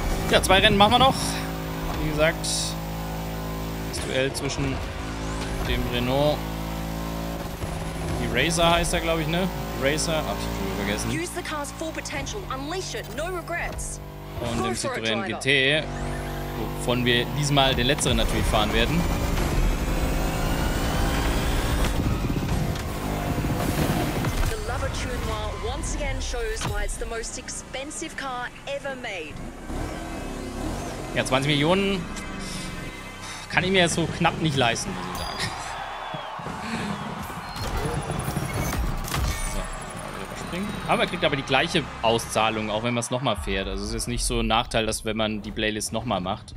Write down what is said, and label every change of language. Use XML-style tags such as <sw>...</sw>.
<de>Ja, zwei Rennen machen wir noch. Wie gesagt, das Duell zwischen dem Renault, die Racer heißt er, glaube ich, ne? Racer, ach, ich habe vergessen.</de> <en>Use the car's full potential. Unleash it. No regrets.</en> <de>Und dem Citroën GT, wovon wir diesmal den letzteren natürlich fahren werden.</de> <en>The Lavatue Noir once again shows why it's the most expensive car ever made.</en> <de>Ja, 20 Millionen kann ich mir jetzt so knapp nicht leisten, muss ich sagen. So, überspringen. Aber man kriegt aber die gleiche Auszahlung, auch wenn man es nochmal fährt. Also es ist nicht so ein Nachteil, dass wenn man die Playlist nochmal macht.</de>